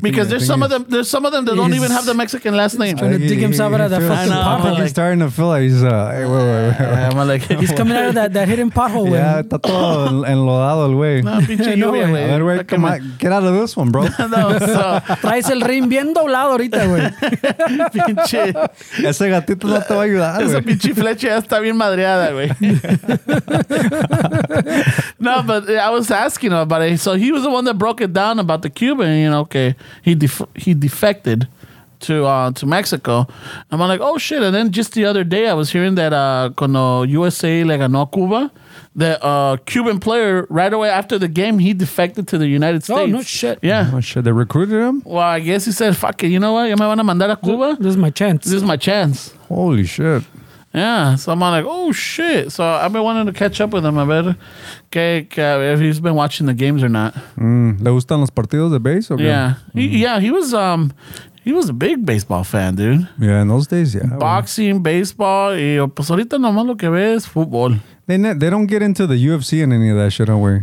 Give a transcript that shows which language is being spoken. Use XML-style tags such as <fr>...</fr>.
<en>Dude, because there's some of them that don't even have the Mexican last name. He's trying to dig himself out of that fucking pothole. I think he's starting to feel like he's... He's coming out of that hidden pothole.</en> <es>Yeah, está todo enlodado el güey. No, pinche lluvia, güey.</es> <en>Come on, get out of this one, bro.</en> <es>Traes el rim bien doblado ahorita, güey. Pinche. Ese gatito no te va a ayudar, güey. Esa pinche flecha ya está bien madreada, güey.</es> <en>No, but I was asking about it. So he was the one that broke it down about the Cuban. And, you know, okay, he defected to Mexico. I'm like, oh shit. And then just the other day I was hearing that</en> <es>cuando USA le ganó Cuba,</es> <en>the Cuban player right away after the game he defected to the United States. Oh no shit. Yeah. Oh shit, they recruited him? Well, I guess he said, fuck it, you know what?</en> <es>Ya me van a mandar a Cuba.</es> <en>This is my chance. This is my chance. Holy shit. Yeah, so I'm like, oh shit. So I've been wanting to catch up with him</en> <es>a ver que</es> <en>if he's been watching the games or not.</en> <es>¿Le gustan los partidos de base o qué?</es> <en>Yeah. He was a big baseball fan, dude. Yeah, in those days, yeah.</en> <es>Boxing, baseball, y pues ahorita nomás lo que ve es fútbol.</es> <en>They don't get into the UFC and any of that shit, don't worry.</en>